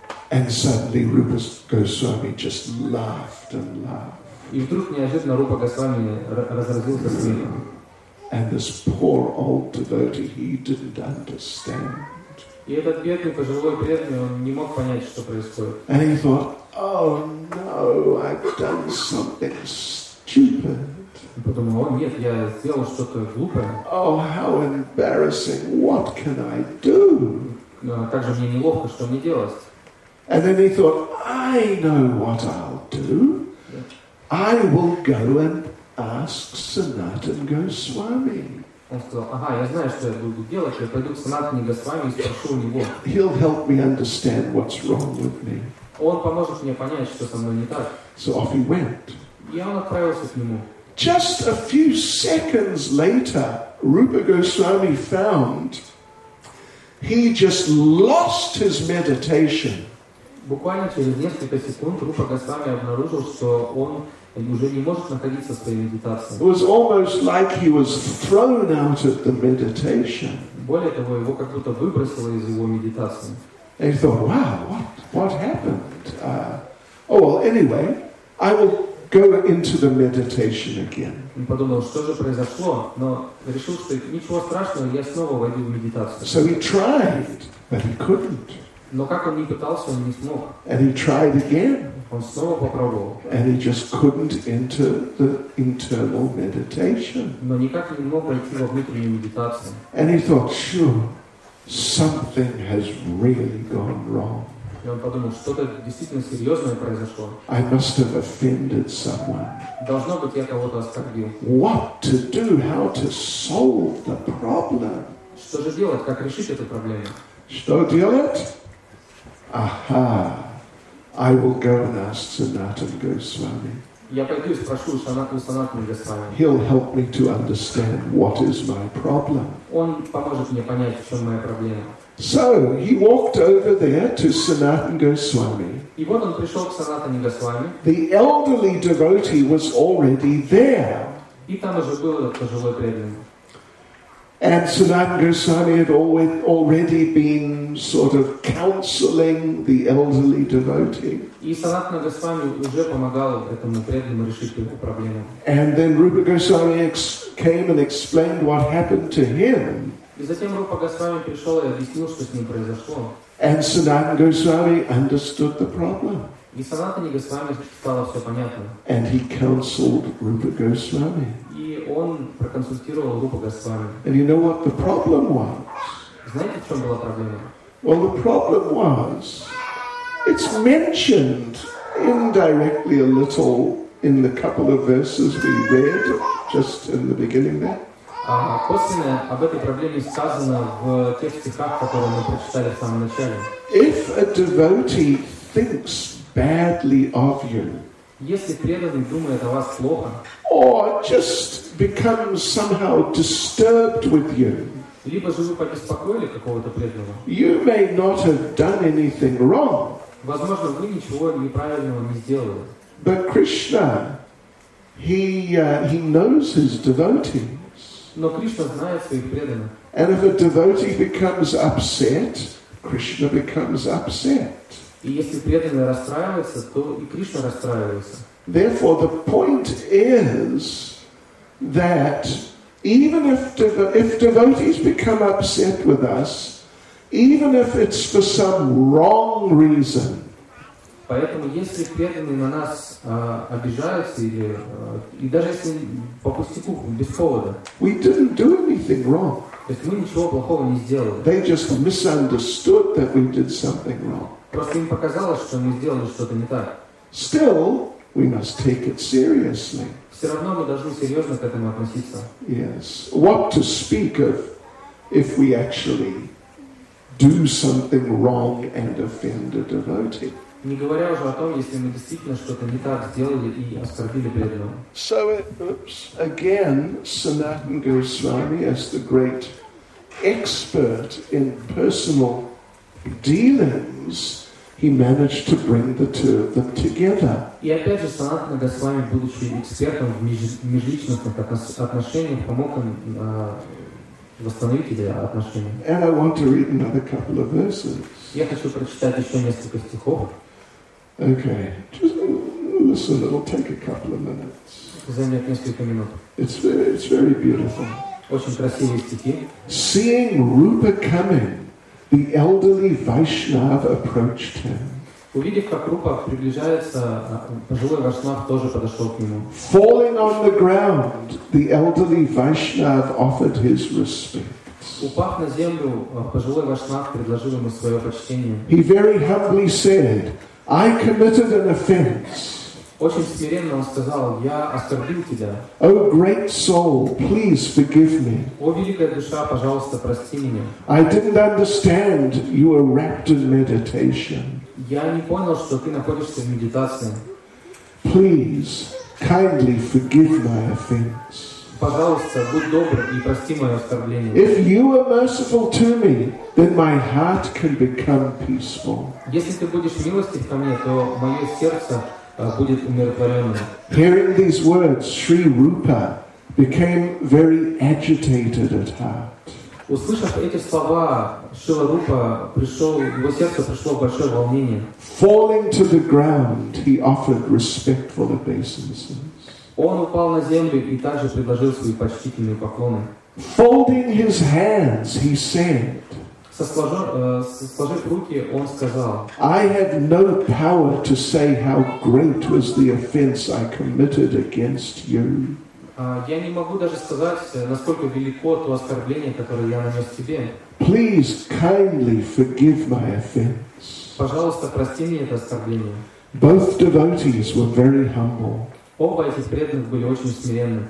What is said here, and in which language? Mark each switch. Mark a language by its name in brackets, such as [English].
[English] And suddenly Rupa Goswami just laughed and laughed. [Russian] И вдруг неожиданно Рупа Госвами разразился смехом. [English] And this poor old devotee, he didn't understand. [Russian] И этот бедный пожилой преданный, он не мог понять, что происходит. [English] And he thought, oh no, I've done something stupid. [Russian] И подумал, о нет, я сделал что-то глупое. [English] Oh, how embarrassing! What can I do? [Russian] Как же мне неловко, что мне делать? [English] And then he thought, I know what I'll do. I will go and ask Sanatan Goswami. [Russian] Он сказал, ага, я знаю, что я буду делать. Я пойду к Санатане Госвами и спрошу у него. [English] He'll help me understand what's wrong with me. [Russian] Он поможет мне понять, что со мной не так. [English] So off he went. [Russian] И он отправился к нему. [English] Just a few seconds later, Rupa Goswami found he just lost his meditation. [Russian] Буквально через несколько секунд Рупа Госвами обнаружил, что он уже не может находиться в своей медитации. [English] It was almost like he was thrown out of the meditation. [Russian] Более того, его как будто выбросило из его медитации. [English] And he thought, wow, what happened? Oh, well, anyway, I will go into the meditation again. [Russian] Подумал, что же произошло, но решил, что ничего страшного, я снова войду в медитацию. [English] So he tried, but he couldn't. [Russian] Но как он ни пытался, он не смог. [English] And he tried again. [Russian] Он снова попробовал. [English] And he just couldn't enter the internal meditation. [Russian] Но никак не мог войти во внутреннюю медитацию. [English] And he thought, sure, something has really gone wrong. [Russian] И он подумал, что-то действительно серьезное произошло. [English] I must have offended someone. [Russian] Должно быть, я кого-то оскорбил. [English] What to do? How to solve the problem? [Russian] Что же делать? Как решить эту проблему? Что делать? [English] Aha! I will go and ask Sanatan Goswami. [Russian] Я пойду и спрошу Санатану Госвами. [English] He'll help me to understand what is my problem. [Russian] Он поможет мне понять, в чем моя проблема. [English] So he walked over there to Sanatan Goswami. [Russian] И вот он пришел к Санатане Госвами. [English] The elderly devotee was already there. [Russian] И там уже был пожилой преданный. [English] And Sanatan Goswami had already been sort of counseling the elderly devotee. [Russian] И Санатана Госвами уже помогал этому преданному решить эту проблему. [English] And then Rupa Goswami came and explained what happened to him. [Russian] И затем Рупа Госвами пришел и объяснил, что с ним произошло. [English] And Sanatan Goswami understood the problem. [Russian] И Санатане Госвами стало все понятно. [English] And he counseled Rupa Goswami. [Russian] И он проконсультировал Рупа Госвами. [English] And you know what the problem was? [Russian] Знаете, в чем была проблема? [English] Well, the problem was, it's mentioned indirectly a little in the couple of verses we read just in the beginning there. [Russian] Косвенно об этой проблеме сказано в тех стихах, которые мы прочитали в самом начале. [English] If a devotee thinks badly of you, [Russian] Если преданный думает о вас плохо, [English] or just becomes somehow disturbed with you, [Russian] либо же вы побеспокоили какого-то преданного, [English] you may not have done anything wrong. [Russian] Возможно, вы ничего неправильного не сделали. [English] But Krishna, he knows his devotees. [Russian] Но Кришна знает своих преданных. [English] And if a devotee becomes upset, Krishna becomes upset. [Russian] И если преданный расстраивается, то и Кришна расстраивается. [English] Therefore, the point is that even if devotees become upset with us, even if it's for some wrong reason, [Russian] поэтому если преданные на нас обижаются или и даже если по пустяку без повода, [English] we didn't do anything wrong. [Russian] То есть мы ничего плохого не сделали. [English] They just misunderstood that we did something wrong. [Russian] Просто им показалось, что мы сделали что-то не так. [English] Still, we must take it seriously. [Russian] Все равно мы должны серьезно к этому относиться. [English] Yes. What to speak of if we actually do something wrong and offend a devotee? [Russian] Не говоря уже о том, если мы действительно что-то не так сделали и оскорбили преданного. [English] So, again, Sanatana Goswami, as the great expert in personal dealings, he managed to bring the two of them together. [Russian] И опять же, Санатана Госвами, будучи экспертом в межличностных отношениях, помог им восстановить эти отношения. [English] And I want to read another couple of verses. [Russian] Я хочу прочитать еще несколько стихов. [English] Okay, just listen, it'll take a couple of minutes. [Russian] Займет несколько минут. [English] It's very beautiful. [Russian] Очень красивые стихи. [English] Seeing Rupa coming, the elderly Vaishnava approached him. [Russian] Увидев, как Рупа приближается, пожилой Вайшнав тоже подошел к нему. [English] Falling on the ground, the elderly Vaishnava offered his respect. [Russian] Упав на землю, пожилой Вайшнав предложил ему свое почтение. [English] He very humbly said, I committed an offense. [Russian] Очень смиренно он сказал, я оскорбил тебя. [English] O great soul, please forgive me. [Russian] О великая душа, пожалуйста, прости меня. [English] I didn't understand you were wrapped in meditation. [Russian] Я не понял, что ты находишься в медитации. [English] Please, kindly forgive my offense. [Russian] Пожалуйста, будь добр и прости мое оскорбление. [English] If you are merciful to me, then my heart can become peaceful. [Russian] Если ты будешь милостив ко мне, то мое сердце будет умиротворенным. [English] Hearing these words, Sri Rupa became very agitated at heart. [Russian] Услышав эти слова, Шрила Рупа пришел, его сердце пришло в большое волнение. [English] Falling to the ground, he offered respectful obeisances. [Russian] Он упал на землю и также предложил свои почтительные поклоны. [English] Folding his hands, he said, [Russian] сложив руки, он сказал, [English] I have no power to say how great was the offense I committed against you. [Russian] Я не могу даже сказать, насколько велико то оскорбление, которое я нанес тебе. [English] Please kindly forgive my offense. [Russian] Пожалуйста, прости мне это оскорбление. [English] Both devotees were very humble. [Russian] Оба этих преданных были очень смиренны.